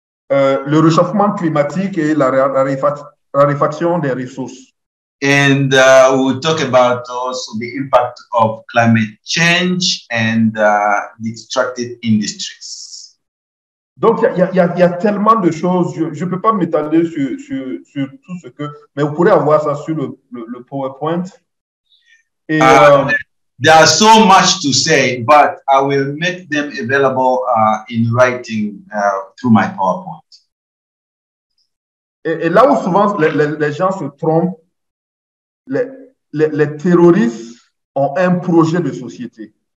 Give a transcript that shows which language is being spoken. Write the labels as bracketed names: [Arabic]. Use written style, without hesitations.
[French] Le réchauffement climatique et la raréfaction des ressources. [English] And we'll talk about also the impact of climate change and the extractive industries. [French] Donc, il y a tellement de choses. Je ne peux pas m'étaler sur tout ce que... Mais vous pourrez avoir ça sur le PowerPoint. [English] Et, there are so much to say, but I will make them available in writing through my PowerPoint. [French] Et là où souvent les gens se trompent, les terroristes ont un projet de société.